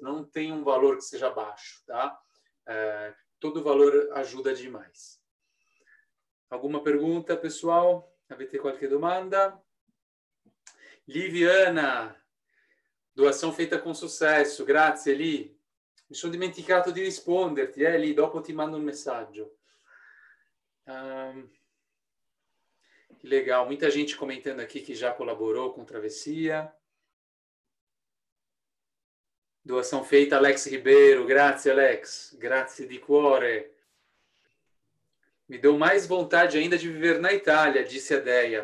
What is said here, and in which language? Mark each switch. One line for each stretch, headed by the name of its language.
Portuguese: Não tem um valor que seja baixo, tá? Todo valor ajuda demais. Alguma pergunta, pessoal?
Italian: Avete qualche domanda?
Portuguese: Liviana, doação feita com sucesso.
Italian: Grazie, Li. Mi sono dimenticato di risponderti, Li. Dopo ti mando un messaggio.
Portuguese: Que legal. Muita gente comentando aqui que já colaborou com Travessia. Doação feita,
Italian: Alex Ribeiro. Grazie, Alex. Grazie di cuore.
Portuguese: Me deu mais vontade ainda de viver na Itália, disse a Deia.